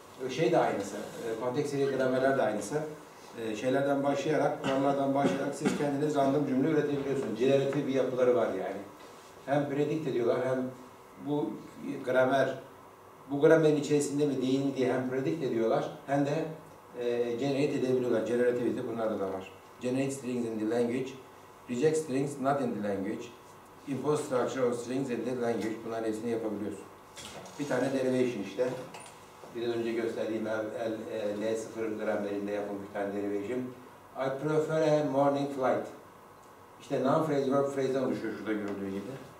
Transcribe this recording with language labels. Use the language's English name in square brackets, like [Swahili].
[Turkish] şey de aynısı, kontekstli gramerler de aynısı. Şeylerden başlayarak, kuramlardan başlayarak siz kendiniz random cümle üretebiliyorsunuz. Generatif bir yapıları var yani. Hem predict ediyorlar hem bu gramer, bu gramerin içerisinde mi değil mi diye hem predict ediyorlar hem de generate edebiliyorlar. Generativity bunlarda da var. [English] Generate strings in the language, reject strings not in the language, impose structure of strings in the language. [Turkish] Bunların hepsini yapabiliyorsun. Bir tane derivation işte. Biraz önce gösterdiğim L0 gramerinde yapılmış bir tane derivation. [English] I prefer a morning flight. [Turkish] İşte noun phrase, verb phrase'den oluşuyor şurada gördüğün gibi.